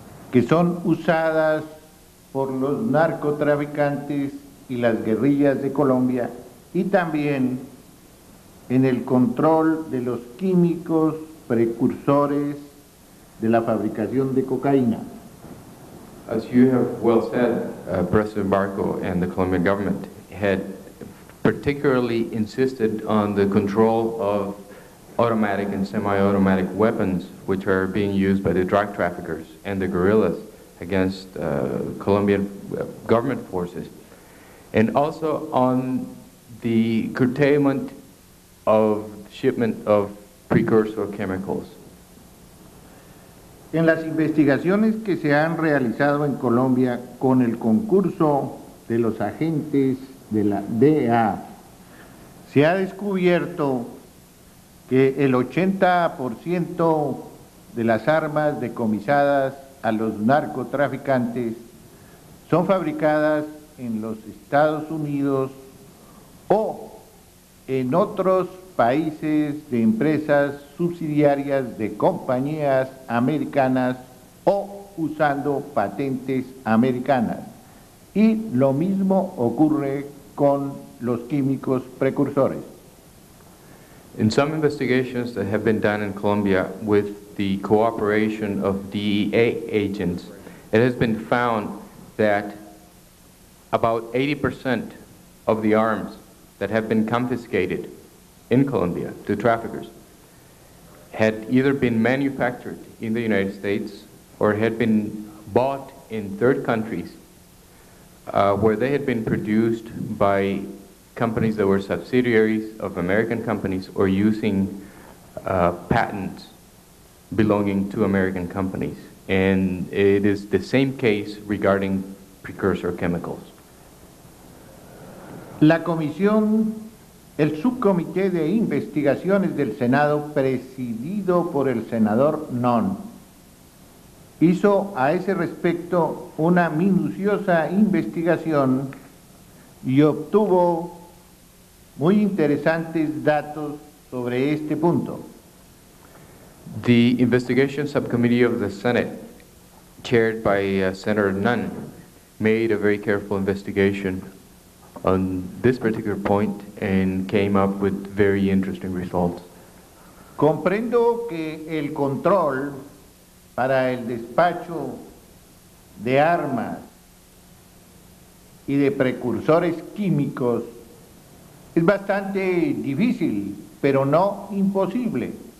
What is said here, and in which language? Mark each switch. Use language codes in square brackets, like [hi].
[es] que son usadas por los narcotraficantes y las guerrillas de Colombia y también en el control de los químicos precursores de la fabricación de cocaína. [en] As you have well said, President Barco and the Colombian government had particularly insisted on the control of automatic and semi-automatic weapons which are being used by the drug traffickers and the guerrillas against Colombian government forces, and also on the curtailment of shipment of precursor chemicals. [es] En las investigaciones que se han realizado en Colombia con el concurso de los agentes de la DEA, se ha descubierto que el 80% de las armas decomisadas a los narcotraficantes son fabricadas en los Estados Unidos o en otros países de empresas subsidiarias de compañías americanas o usando patentes americanas. Y lo mismo ocurre con los químicos precursores. [en] In some investigations that have been done in Colombia with the cooperation of DEA agents, it has been found that about 80% of the arms that have been confiscated in Colombia to traffickers had either been manufactured in the United States or had been bought in third countries where they had been produced by companies that were subsidiaries of American companies or using patents belonging to American companies. And it is the same case regarding precursor chemicals. [es] La Comisión, el Subcomité de Investigaciones del Senado, presidido por el senador Non, hizo a ese respecto una minuciosa investigación y obtuvo muy interesantes datos sobre este punto. [en] The Investigation Subcommittee of the Senate, chaired by Senator Non, made a very careful investigation on this particular point and came up with very interesting results. [es] Comprendo que el control para el despacho de armas y de precursores químicos es bastante difícil, pero no imposible.